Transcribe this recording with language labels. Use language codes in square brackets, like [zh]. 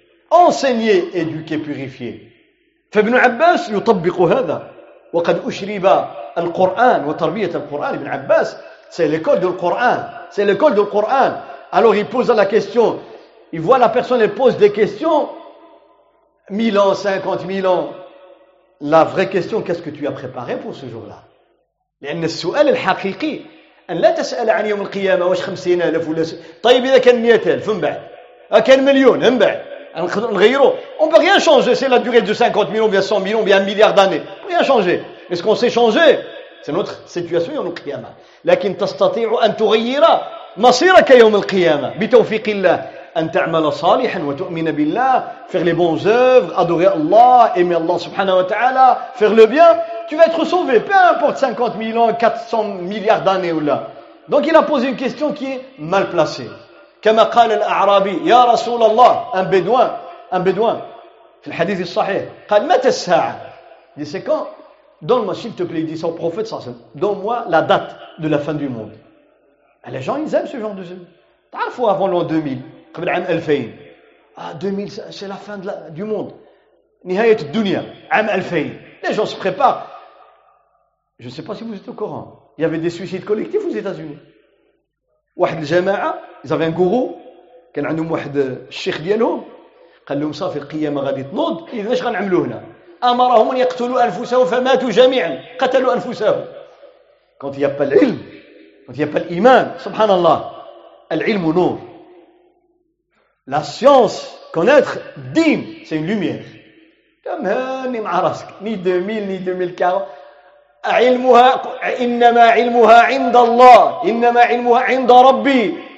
[fr] Enseigner, éduquer, purifier. Ibn Abbas [ar] يطبق هذا. وقد أشرب القرآن وتربية القرآن. [fr] Ibn Abbas, c'est l'école du Coran. C'est l'école du Coran. Alors il pose la question. Il voit la personne, elle pose des questions. 1000 ans, 50 000 ans. La vraie question, qu'est-ce que tu as préparé pour ce jour-là? [ar] لأن السؤال الحقيقي أن لا تسأل عن يوم القيامة واش 50,000 ولا طيب إذا كان 100,000 من بعد كان مليون من بعد نغيرو. [fr] On peut rien changer, c'est la durée de 50 000 ou bien 100 000 ou bien 1 milliard d'années. Rien changer. Est-ce qu'on sait changer? C'est notre situation يوم القيامة. [ar] لكن تستطيع أن تغير مصيرك يوم القيامة بتوفيق الله. أن تعمل صالحا وتؤمن بالله, [fr] faire les bonnes œuvres, adorer Allah, aimer Allah subhanahu wa ta'ala, faire le bien, tu vas être sauvé, peu importe 50 000 ans, 400 milliards d'années ou là. Donc il a posé une question qui est mal placée. [ar] كما قال الأعرابي يا رسول الله, [fr] un bédouin, [ar] في الحديث الصحيح, قال متى الساعة, [fr] il dit c'est quand, donne-moi s'il te plaît, il dit ça au prophète, donne-moi la date de la fin du monde. Et les gens ils aiment ce genre de choses. T'as la fois avant l'an 2000, [ar] قبل عام 2000. [fr] Ah, 2000, c'est la fin du monde. [ar] نهاية الدنيا, عام 2000. [fr] Les gens se préparent. Je ne sais pas si vous êtes au courant. Il y avait des suicides collectifs aux États-Unis. [ar] واحد الجماعة, [fr] ils avaient un gourou. [ar] كان عندهم واحد الشيخ ديالهم. قال لهم صافي القيامة غادي تنوض. إذا اش غنعملوا هنا؟ أمرهم أن يقتلوا أنفسهم فماتوا جميعا. قتلوا أنفسهم. [fr] Quand il n'y a pas العلم, quand il n'y a pas الإيمان, [ar] سبحان الله. العلم نور. [fr] La science, connaître, dîme, c'est une lumière. Comme ni marasque, ni 2000, ni 2040. [ar] Ilmuha, innama ilmuha inda Allah, innama ilmuha inda Rabbi.